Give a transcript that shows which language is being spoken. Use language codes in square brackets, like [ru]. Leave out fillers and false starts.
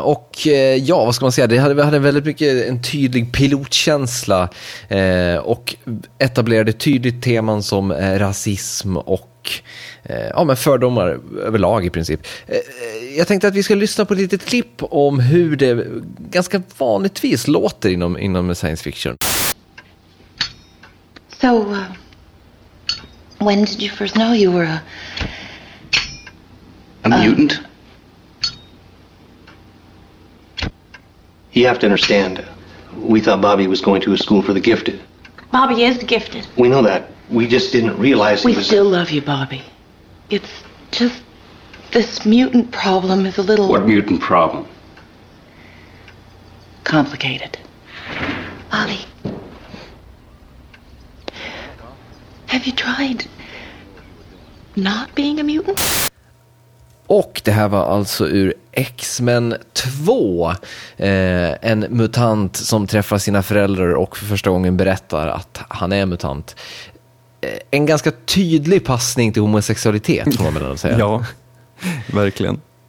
[sv] Och ja, vad ska man säga? Vi hade väldigt mycket en tydlig pilotkänsla och etablerade tydligt teman som rasism och men fördomar överlag i princip. Jag tänkte att vi ska lyssna på ett litet klipp om hur det ganska vanligtvis låter inom science fiction. [en] So, when did you first know you were a mutant? You have to understand, we thought Bobby was going to a school for the gifted. Bobby is gifted. We know that. We just didn't realize we still love you, Bobby. It's just this mutant problem is a little... What mutant problem? Complicated. Bobby... Have you tried not being a mutant? [sv] Och det här var alltså ur X-Men 2. En mutant som träffar sina föräldrar och för första gången berättar att han är mutant. En ganska tydlig passning till homosexualitet, får man väl säga. Ja, verkligen.